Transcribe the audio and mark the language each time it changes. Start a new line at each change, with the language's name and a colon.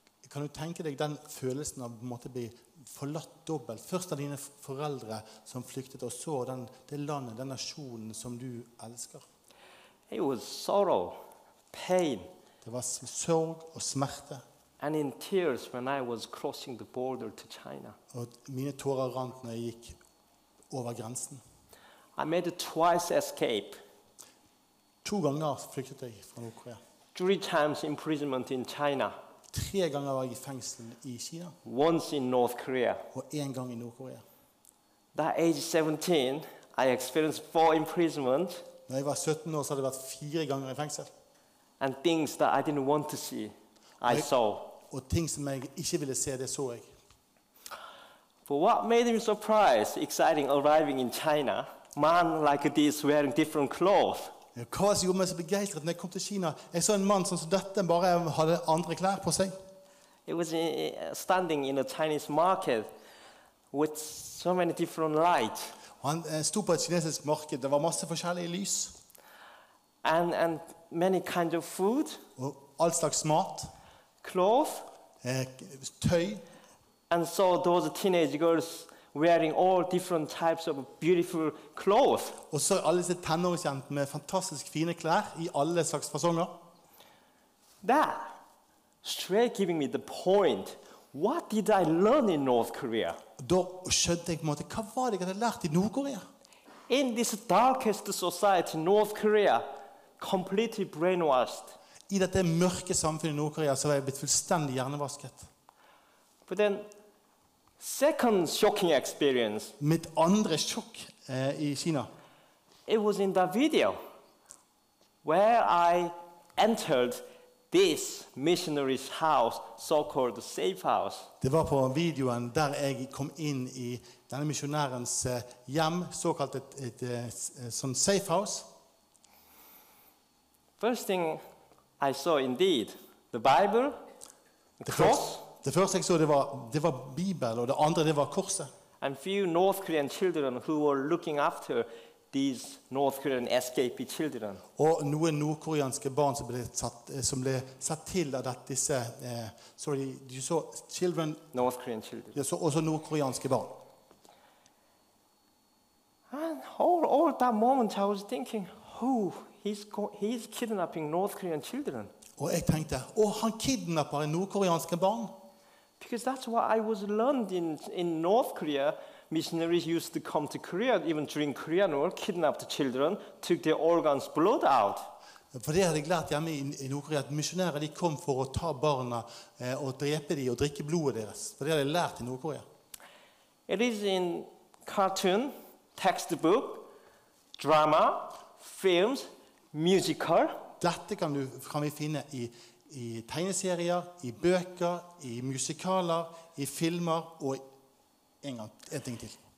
Norwegian: Kan du tenke deg den følelsen av å bli forlatt dobbelt? Først av dine foreldre som flyktet, og så det landet, den nasjonen som du elsker.
English: It was sorrow, pain.
Norwegian: Det var sorg og smerte.
English: And in tears when I was crossing the border to China.
Norwegian: Og mine tårer rant når jeg gikk over grensen.
English: I made a twice escape.
Norwegian: To ganger flyktet jeg fra Nord-Korea.
English: Three times imprisonment in China.
Norwegian: Tre ganger var jeg i fengsel i Kina.
English: Once in North Korea.
Norwegian: Og en gang i Nord-Korea.
English: At age 17, I experienced four imprisonment.
Norwegian: Når jeg var 17 år, så hadde jeg vært fire ganger i fengsel.
English: And things that I didn't want to see, I saw.
Norwegian: Og ting som jeg ikke ville se, det så jeg.
English: But what made me surprised, exciting, arriving in China, man like this wearing different clothes.
Norwegian: Hva som gjorde meg så begeistret når jeg kom til Kina? Jeg så en mann som dette bare hadde andre klær på seg.
English: It was standing in a Chinese market with so many different light.
Norwegian: Han sto på et kinesisk marked. Det var masse forskjellige lys.
English: And many kind of food.
Norwegian: Og all slags mat.
English: Cloth.
Norwegian: Tøy.
English: And saw those teenage girls wearing all different types of beautiful clothes.
Norwegian: Og så alle disse tenåringsjentene med fantastisk fine klær i alle slags fasonger.
English: That straight giving me the point. What did I learn in North Korea?
Norwegian: Da skjønte jeg på en måte, hva var det jeg hadde lært i Nord-Korea?
English: In this darkest society, North Korea, completely brainwashed.
Norwegian: I dette mørke samfunnet I Nord-Korea så var jeg blitt fullstendig hjernevasket.
English: But then, second shocking experience.
Norwegian: Mitt andre sjokk I Kina.
English: It was in that video where I entered this missionary's house, so-called safe house.
Norwegian: Det var på videoen der jeg kom inn I denne missionærens hjem, såkalt et sånn safe house.
English: First thing I saw, indeed, the Bible, the cross.
Norwegian: Det første jeg så, det var Bibel, og det andre, det var korset.
English: And few North Korean children who were looking after these North Korean escapee children.
Norwegian: Og noen nordkoreanske barn som ble satt til av at disse,
English: you saw children. North Korean children.
Norwegian: Ja, så også nordkoreanske barn.
English: And all that moment, I was thinking, he's kidnapping North Korean children.
Norwegian: Og jeg tenkte, han kidnapper nordkoreanske barn.
English: Because that's what I was learned in North Korea. Missionaries used to come to Korea, even during Korean War, kidnapped the children, took their organs, blood out.
Norwegian: For det hadde jeg lært hjemme I Nord-Korea, at missionærer de kom for å ta barna og drepe dem og drikke blodet deres. For det hadde jeg lært I Nord-Korea.
English: It is in cartoon, textbook, drama, films, musical.
Norwegian: Dette kan vi finne I tegneserier, I bøker, I musikaler, I filmer og en ting til.